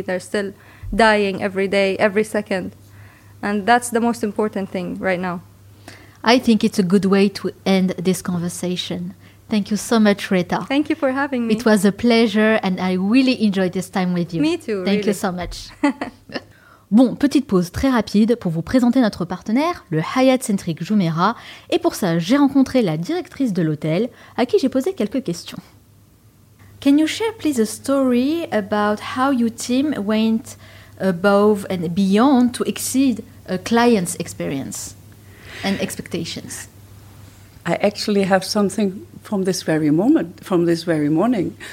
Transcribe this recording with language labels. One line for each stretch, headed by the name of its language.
English: They're still dying every day, every second. And that's the most important thing right now. I think it's a good way to end this conversation. Thank you so much, Reta. Thank you for having me. It was a pleasure and I really enjoyed this time with you. Me too, really. Thank you so much.
French: Bon, petite pause très rapide pour vous présenter notre partenaire, le Hyatt Centric Jumeirah. Et pour ça, j'ai rencontré la directrice de l'hôtel, à qui j'ai posé quelques questions.
English: Can you share, please, a story about how your team went above and beyond to exceed a client's experience and expectations? I actually have something from this very moment, from this very morning.